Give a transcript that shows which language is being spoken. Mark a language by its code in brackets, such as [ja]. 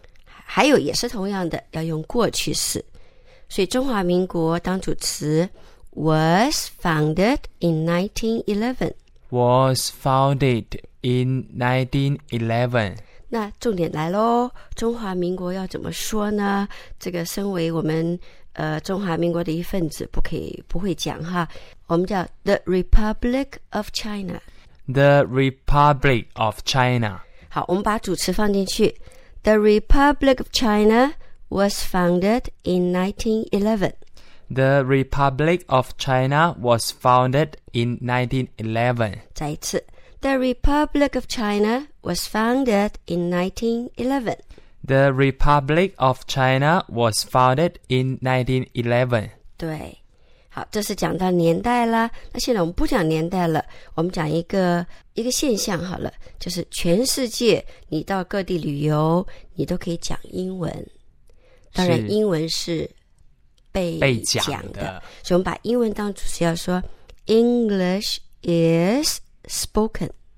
[zh] 还有也是同样的，要用过去式，所以中华民国当主词 [en] was founded in 1911。 was founded in 1911。 [zh] 那重点来咯，中华民国要怎么说呢？这个身为我们中华民国的一份子，不可以不会讲哈。我们叫 [en] the Republic of China。 the Republic of China。 [zh] 好，我们把主词放进去， [en] the Republic of China was founded in 1911。 The Republic of China was founded in 1911. [zh] 再一次， [en] The Republic of China was founded in 1911. The Republic of China was founded in 1911. [zh] 对，好，这是讲到年代啦。那现在我们不讲年代了，我们讲一个现象好了，就是全世界你到各地旅游，你都可以讲英文。当然，英文是被讲的，所以我们把英文当主词要说 [en] English is spoken。